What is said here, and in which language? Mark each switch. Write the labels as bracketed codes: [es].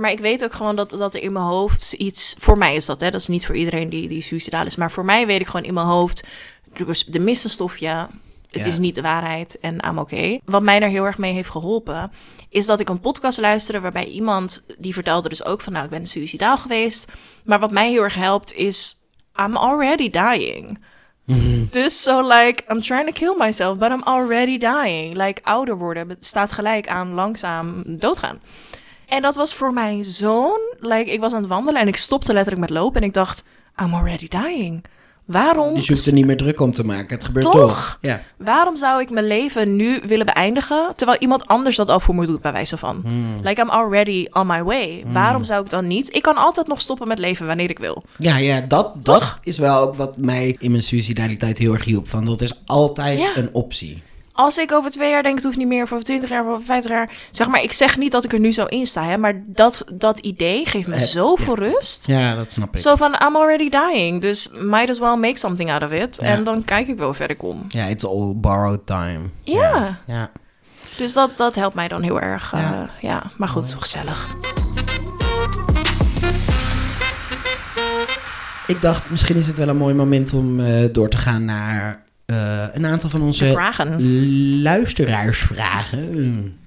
[nl] Maar ik weet ook gewoon dat er in mijn hoofd iets... Voor mij is dat, hè. Dat is niet voor iedereen die suïcidaal is. Maar voor mij weet ik gewoon in mijn hoofd... Er mist een stofje. Het is niet de waarheid. En [en] I'm okay. [nl] Wat mij daar heel erg mee heeft geholpen... is dat ik een podcast luisterde waarbij iemand... die vertelde dus ook van... nou, ik ben suïcidaal geweest. Maar wat mij heel erg helpt is... [en] I'm already dying. Dus so like, I'm trying to kill myself, but I'm already dying. [nl] Like, ouder worden staat gelijk aan langzaam doodgaan. En dat was voor mijn zoon, like, ik was aan het wandelen en ik stopte letterlijk met lopen en ik dacht, [en] I'm already dying. [nl] Waarom? Je hoeft er niet meer druk om te maken, het gebeurt toch? Ja. Waarom zou ik mijn leven nu willen beëindigen, terwijl iemand anders dat al voor me doet, bij wijze van? [en] Like, I'm already on my way. [nl] Waarom zou ik dan niet? Ik kan altijd nog stoppen met leven wanneer ik wil. Ja, dat is wel ook wat mij in mijn suïcidaliteit heel erg hielp. Van, dat is altijd een optie. Als ik over 2 jaar denk, het hoeft niet meer, of over 20 jaar, of over 50 jaar. Zeg maar, ik zeg niet dat ik er nu zo in sta, hè, maar dat idee geeft me zoveel rust. Ja, dat snap ik. Zo van, [en] I'm already dying, dus might as well make something out of it. [nl] Ja. En dan kijk ik wel verder kom. [en] Ja, it's all borrowed time. [nl] Ja. Ja. Dus dat helpt mij dan heel erg. Ja, ja. Maar goed, zo gezellig. Ik dacht, misschien is het wel een mooi moment om door te gaan naar... een aantal van onze luisteraarsvragen.